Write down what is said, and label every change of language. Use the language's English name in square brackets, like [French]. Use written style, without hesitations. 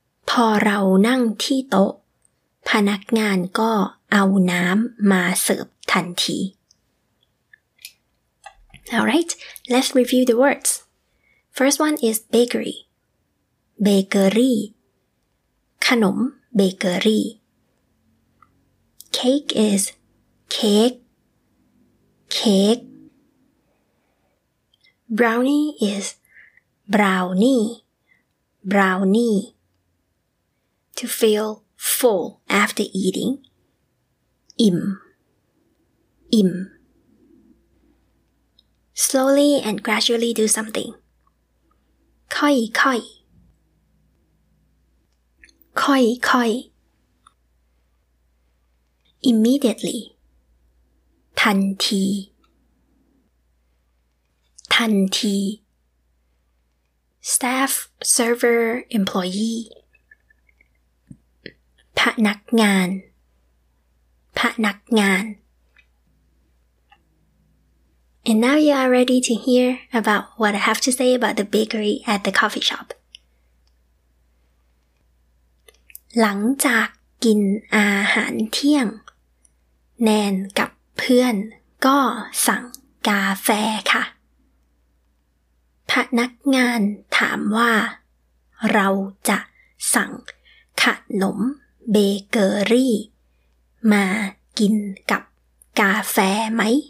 [Thai] พอเรานั่งที่โต๊ะพนักงานก็เอาน้ำมาเสิร์ฟทันที [English] Alright, let's review the words. First one is bakery. Bakery. [Thai] ขนมเบเกอรี่ [English] Cake is cake. Cake Brownie is brownie Brownie To feel full after eating Im Im Slowly and gradually do something [Thai] ค่อยค่อย ค่อยค่อย [English] Immediately [Thai] ทันทีทันที [English] staff server employee [Thai] พนักงานพนักงาน [English] and now you are ready to hear about what I have to say about the bakery at the coffee shop [Thai] หลังจากกินอาหารเที่ยงแนนกับเพื่อนก็สั่งกาแฟค่ะพนักงานถามว่าเราจะสั่งขนมเบเกอรี่มากินกับกาแฟไหม